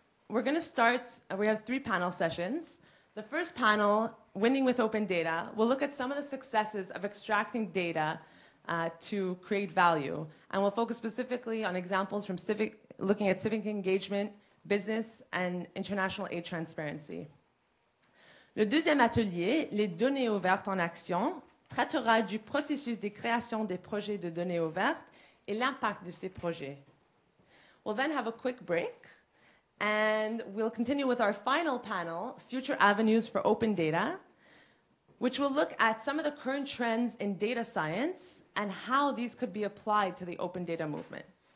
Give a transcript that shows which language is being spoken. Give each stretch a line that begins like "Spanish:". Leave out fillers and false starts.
English: We're going to start, we have three panel sessions. The first panel, Winning with Open Data, will look at some of the successes of extracting data to create value. And we'll focus specifically on examples from looking at civic engagement, business, and international aid transparency.
French: Le deuxième atelier, Les données ouvertes en action, traitera du processus de création des projets de données ouvertes et l'impact de ces projets.
English: We'll then have a quick break. And we'll continue with our final panel, Future Avenues for Open Data, which will look at some of the current trends in data science and how these could be applied to the open data movement.